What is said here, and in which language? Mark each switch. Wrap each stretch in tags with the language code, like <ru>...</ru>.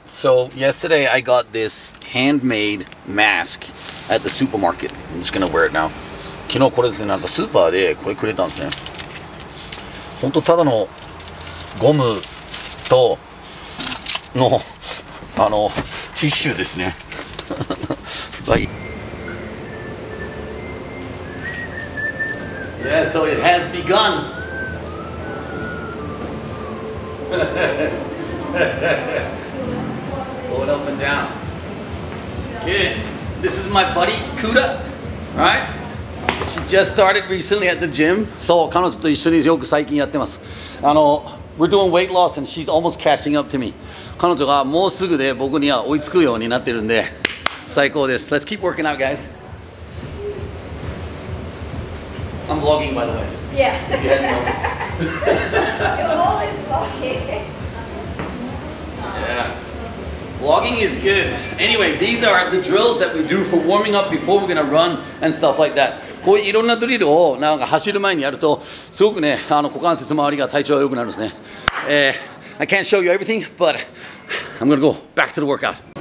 <en>So, yesterday I got this handmade mask at the supermarket. I'm just gonna wear it now.</en> <ja>昨日これですね、なんかスーパーでこれくれたんですね。ほんとただのゴムとの、ティッシュですね。</ja> <en>Yeah, so it has begun. Pull it up and down. Good. This is my buddy, Kuda. Alright? She just started recently at the gym.</en> <ja>So, 彼女と一緒によく最近やってます。</ja> <en>We're doing weight loss and she's almost catching up to me.</en> <ja>彼女がもうすぐで僕には追いつくようになってるんで。最高です。</ja> <en>Let's keep working out, guys. I'm vlogging, by the way. Yeah. If you hadn't noticed. You're always vlogging. Yeah. Vlogging is good. Anyway, these are the drills that we do for warming up before we're gonna run and stuff like that.</en> <ja>こういういろんなドリルをなんか走る前にやると、すごくね、股関節周りが体調が良くなるんですね。</ja> <en>I can't show you everything, but I'm gonna go back to the workout.</en>